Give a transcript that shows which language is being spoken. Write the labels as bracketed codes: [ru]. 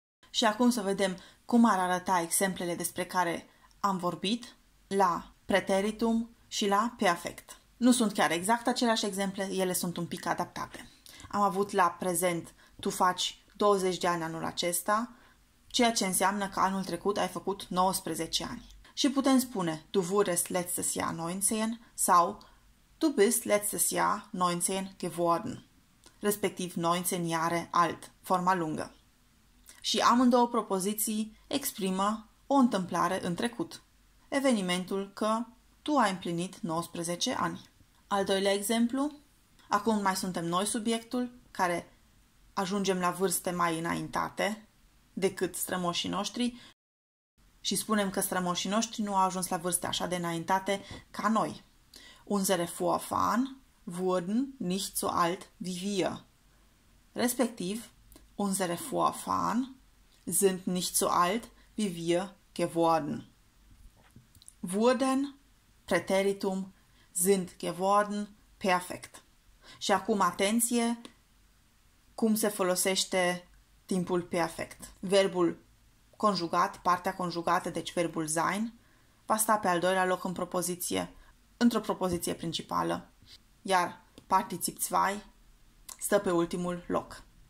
[ro] Și acum să vedem cum ar arăta exemplele despre care am vorbit la preteritum și la perfect. Nu sunt chiar exact aceleași exemple, ele sunt un pic adaptate. Am avut la prezent tu faci 20 de ani anul acesta, ceea ce înseamnă că anul trecut ai făcut 19 ani. Și putem spune [de] du wurdest letztes Jahr 19 [ro] sau [de] du bist letztes Jahr 19 geworden, [ro] respectiv [de] 19 jahre alt, [ro] forma lungă. Și amândouă propoziții exprimă o întâmplare în trecut, evenimentul că tu ai împlinit 19 ani. Al doilea exemplu, acum mai suntem noi subiectul care ajungem la vârste mai înaintate decât strămoșii noștri și spunem că strămoșii noștri nu au ajuns la vârste așa de înaintate ca noi. [de] Unsere Vorfahren wurden nicht so alt wie wir. Respectiv, unsere Vorfahren sind nicht so alt wie wir geworden. Wurden, preteritum, sind geworden, perfect. [ro] Și acum atenție, cum se folosește timpul perfect. Verbul conjugat, partea conjugată, deci verbul sein, va sta pe al doilea loc în propoziție, într-o propoziție principală, iar particip 2 stă pe ultimul loc.